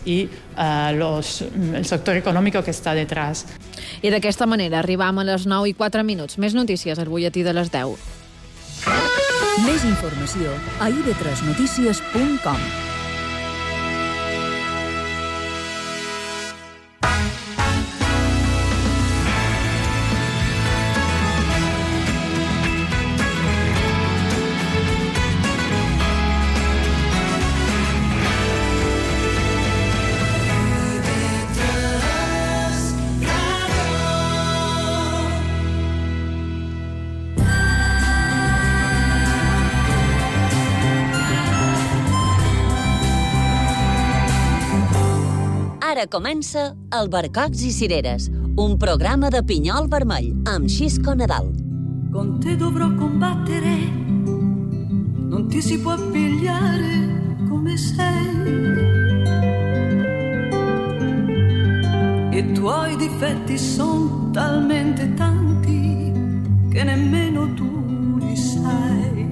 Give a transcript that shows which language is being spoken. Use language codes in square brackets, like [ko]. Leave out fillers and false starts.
[es] y el sector económico que está detrás. [ca] I d'aquesta manera arribam a les 9 i 4 minuts. Més notícies al butlletí de les 10. Més informació a ib3notícies.com. Ara comença Albercocs i Cireres, un programa de Pinyol Vermell, amb Xisco Nadal. [it] Con te dovrò combattere, non ti si può pigliare come sei. I tuoi difetti son talmente tanti che nemmeno tu li sai.